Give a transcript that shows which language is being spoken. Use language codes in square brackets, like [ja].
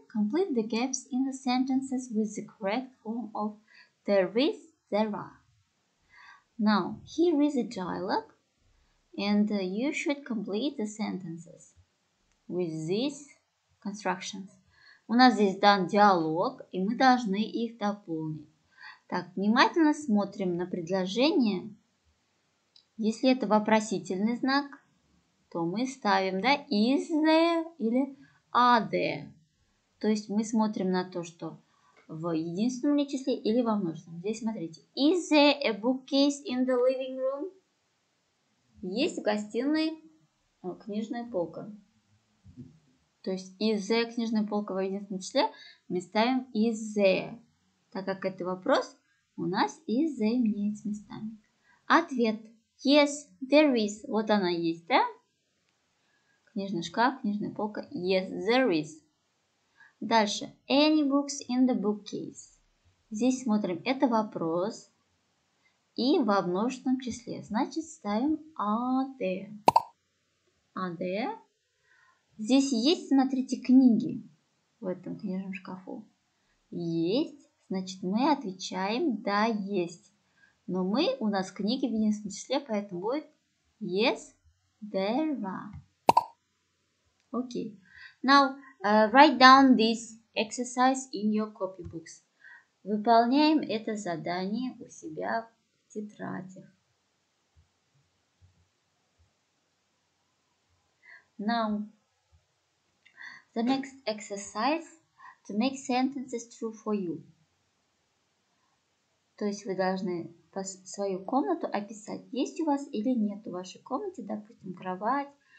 [en] Complete the gaps in the sentences with the correct form of there is, there are. Now, here is a dialogue and you should complete the sentences with these constructions. [ru] У нас здесь дан диалог, и мы должны их дополнить. Так, внимательно смотрим на предложение. Если это вопросительный знак, то мы ставим, да, is there или are there? То есть мы смотрим на то, что в единственном ли числе или во множественном. Здесь смотрите. [en] Is there a bookcase in the living room? [ru] Есть в гостиной книжная полка. То есть is there книжная полка в единственном числе? Мы ставим is there. Так как это вопрос, у нас is there меняется местами. Ответ. [en] Yes, there is. [ru] Вот она есть, да? Книжный шкаф, книжная полка. [en] Yes, there is. [ru] Дальше. [en] Any books in the bookcase? [ru] Здесь смотрим. Это вопрос. И во множественном числе. Значит, ставим are there. Are there? Здесь есть, смотрите, книги в этом книжном шкафу. Есть. Значит, мы отвечаем да, есть. Но мы, у нас книги в единственном числе, поэтому будет [en] yes, there are. Okay, now write down this exercise in your copybooks. [ru] Выполняем это задание у себя в тетрадях. [en] Now, the next exercise to make sentences true for you. [ru] То есть вы должны свою комнату описать, есть у вас или нет в вашей комнате, допустим, кровать.